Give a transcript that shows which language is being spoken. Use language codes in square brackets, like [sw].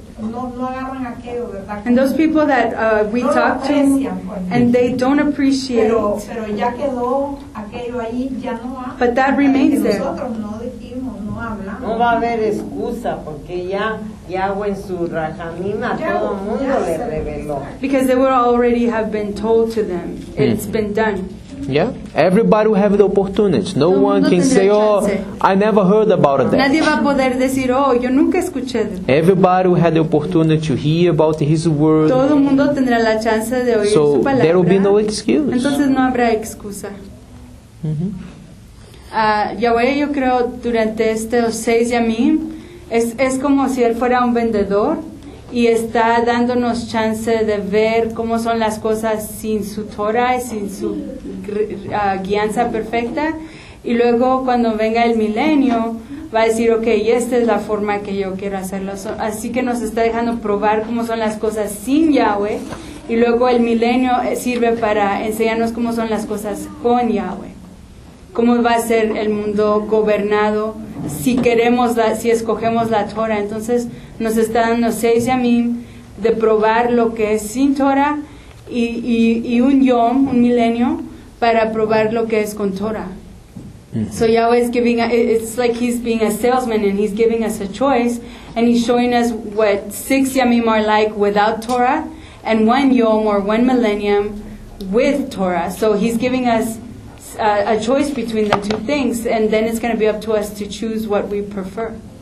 [en] And those people that we talk to, and they don't appreciate, but that remains there. [es] No va a haber excusa porque ya Yahweh en su rajamim a todo el mundo le reveló. [en] Because they would already have been told to them. It's been done. Yeah, everybody will have the opportunity. No one can say, oh, I never heard about that. [es] Nadie va a poder decir, oh, yo nunca escuché de. [en] Everybody will have the opportunity to hear about his word. [es] Todo mundo tendrá la chance de oír [en] so [es] su palabra. [en] So there will be no excuse. [es] Entonces no habrá excusa. Yahweh, yo creo, durante estos seis yamim, es como si él fuera un vendedor y está dándonos chance de ver cómo son las cosas sin su Torah y sin su guianza perfecta. Y luego cuando venga el milenio va a decir, okay, esta es la forma que yo quiero hacerlo. Así que nos está dejando probar cómo son las cosas sin Yahweh, y luego el milenio sirve para enseñarnos cómo son las cosas con Yahweh, cómo va a ser el mundo gobernado si queremos si escogemos la Torah. Entonces nos está dando seis yamim de probar lo que es sin Torah y un yom, un milenio, para probar lo que es con Torah. [en] So Yahweh is giving, it's like he's being a salesman and he's giving us a choice and he's showing us what six yamim are like without Torah and one yom or one millennium with Torah. So he's giving us a choice between the two things, and then it's going to be up to us to choose what we prefer.